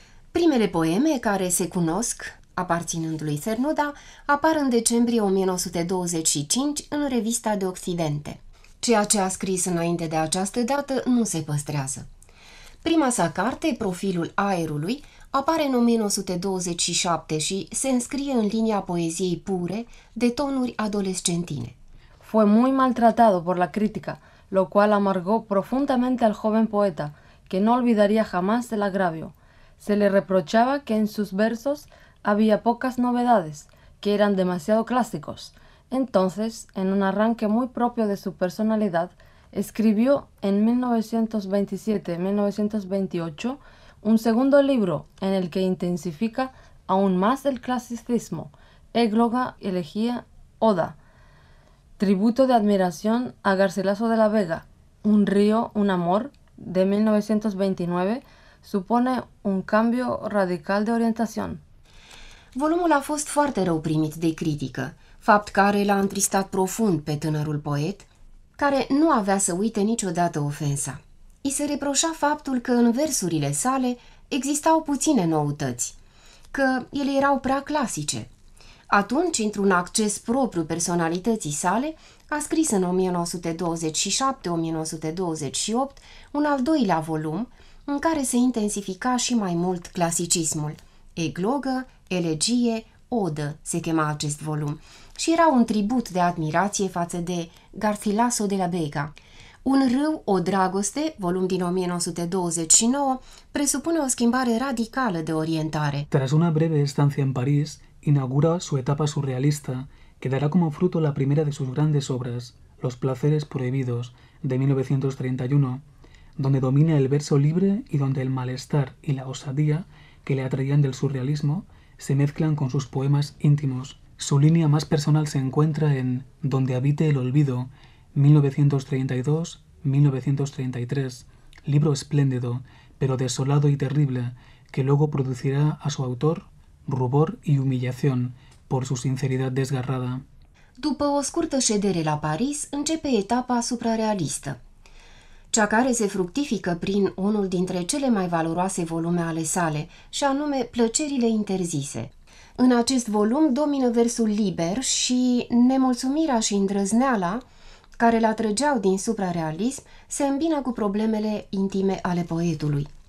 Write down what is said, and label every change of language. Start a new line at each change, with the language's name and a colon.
Romanian: Primele poeme care se cunosc, aparținând lui Cernuda, apar în decembrie 1925 în Revista de Occidente. Ceea ce a scris înainte de această dată nu se păstrează. Prima sa carte, Profilul aerului, apare în 1927 și se înscrie în linia poeziei pure de tonuri adolescentine.
Spanish: Fue muy maltratado por la crítica, lo cual amargó profundamente al joven poeta, que no olvidaría jamás el agravio. Se le reprochaba que en sus versos había pocas novedades, que eran demasiado clásicos. Entonces, en un arranque muy propio de su personalidad, escribió en 1927-1928 un segundo libro en el que intensifica aún más el clasicismo, Égloga, Elegía, Oda, tributo de admiración a Garcilaso de la Vega, Un río, un amor, de 1929, supone un cambio radical de orientación.
Romanian: Volumul a fost foarte rău primit de critică, fapt care l-a întristat profund pe tânărul poet, care nu avea să uite niciodată ofensa. I se reproșa faptul că în versurile sale existau puține noutăți, că ele erau prea clasice. Atunci, într-un acces propriu personalității sale, a scris în 1927-1928 un al doilea volum în care se intensifica și mai mult clasicismul. Eglogă, Elegie, Odă se chema acest volum și era un tribut de admirație față de Garcilaso de la Vega. Un râu, o dragoste, volum din 1929, presupune o schimbare radicală de orientare.
Spanish: Tras una breve estancia en París, inaugura su etapa surrealista, que dará como fruto la primera de sus grandes obras, Los placeres prohibidos, de 1931, donde domina el verso libre y donde el malestar y la osadía que le atraían del surrealismo se mezclan con sus poemas íntimos. Su línea más personal se encuentra en Donde habite el olvido, 1932-1933, libro espléndido, pero desolado y terrible, que luego producirá a su autor rubor y humillación por su sinceridad desgarrada.
Romanian: După o scurtă ședere la Paris, începe etapa suprarealistă, cea care se fructifică prin unul dintre cele mai valoroase volume ale sale, și anume Plăcerile interzise. În acest volum domină versul liber și nemulțumirea și îndrăzneala care îl atrăgeau din suprarealism se îmbină cu problemele intime ale poetului.